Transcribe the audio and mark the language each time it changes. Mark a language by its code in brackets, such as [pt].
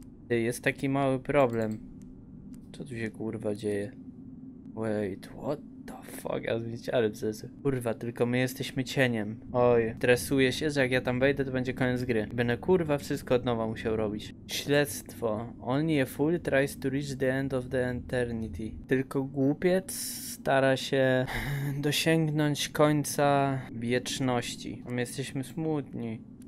[pl] Jest taki mały problem. Co tu się kurwa dzieje? [en] Wait, what the fuck? [pl] Ja zmieniłem sesję. Kurwa, tylko my jesteśmy cieniem. Oj, stresuję się, że jak ja tam wejdę, to będzie koniec gry. Będę kurwa wszystko od nowa musiał robić. Śledztwo. [en] Only a fool tries to reach the end of the eternity. [pl] Tylko głupiec stara się dosięgnąć końca wieczności. My jesteśmy smutni.